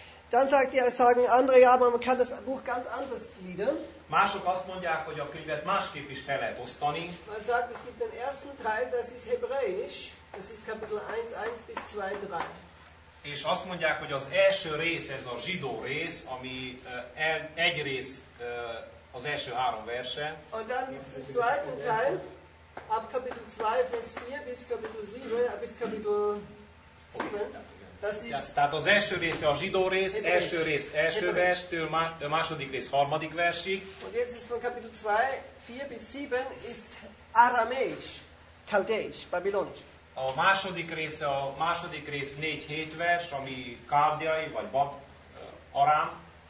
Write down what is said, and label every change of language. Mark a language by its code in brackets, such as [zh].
[de] Dann sagen andere, ja, aber man kann das Buch ganz anders gliedern. [hu] Mások azt mondják, hogy a könyvet másképp is fel lehet osztani. [de] Man sagt, es gibt den ersten Teil, das ist hebräisch, das ist Kapitel 1-1 bis 2-3. [hu] És azt mondják, hogy az első rész ez a zsidó rész, ami egy rész az első 3 verse. [de] Und dann gibt es den zweiten Teil, ab Kapitel 2, Vers 4 bis Kapitel 7, bis Kapitel 7. [hu] Tehát az első rész a zsidó rész, első rész első verstől, második rész harmadik versig. [de] Und jetzt ist von Kapitel 2, 4 bis 7 ist Aramäisch, Chaldeisch, Babylonisch. [hu] A második része, a második rész 4-7 vers, ami káldiai vagy arám.